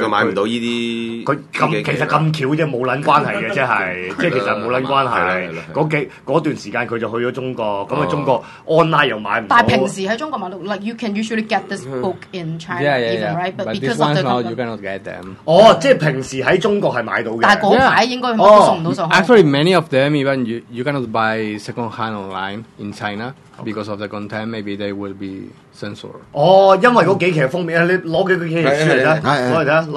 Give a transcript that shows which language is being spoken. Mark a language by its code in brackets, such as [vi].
[yue] 就買唔到依啲。佢咁其實咁巧啫，冇撚關係嘅，即係即係其實冇撚關係。嗰段時間佢就去咗中國，咁啊中國 online 又買唔到。但係平時喺中國買到 [en] ，like you can usually get this book in China even right, but because of the you cannot get them。 [yue] 哦，即係平時喺中國係買到嘅，但係嗰排應該都送唔到上去。 [en] Actually, many of them even you cannot buy second hand online in China because of the content. Maybe they will be censored. Oh, because those few covers, you take those few covers, let's see.